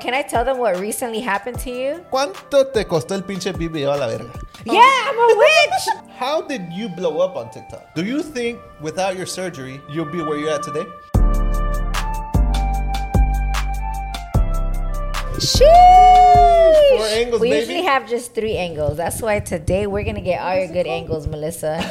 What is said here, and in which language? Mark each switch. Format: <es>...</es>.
<en>Can I tell them what recently happened to you?</en> <es>¿Cuánto te costó el pinche BBL a la verga?</es> <en>Yeah, I'm a witch! How did you blow up on TikTok? Do you think without your surgery, you'll be where you're at today? Sheesh! Four angles, we baby. We usually have just three angles. That's why today we're going to get all your good angles, Melissa.</en>